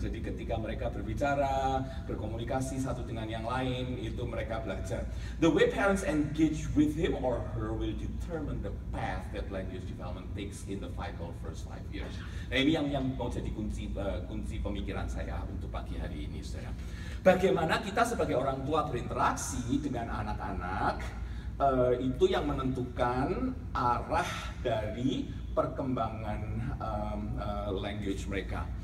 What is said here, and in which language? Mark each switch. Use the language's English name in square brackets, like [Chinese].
[Indonesian] Jadi ketika mereka berbicara, berkomunikasi satu dengan yang lain, itu mereka belajar. [English] The way parents engage with him or her will determine the path that language development takes in the vital first 5 years. [Indonesian] Nah, ini yang mau jadi kunci pemikiran saya untuk pagi hari ini, saudara. Bagaimana kita sebagai orang tua berinteraksi dengan anak-anak, itu yang menentukan arah dari perkembangan language mereka.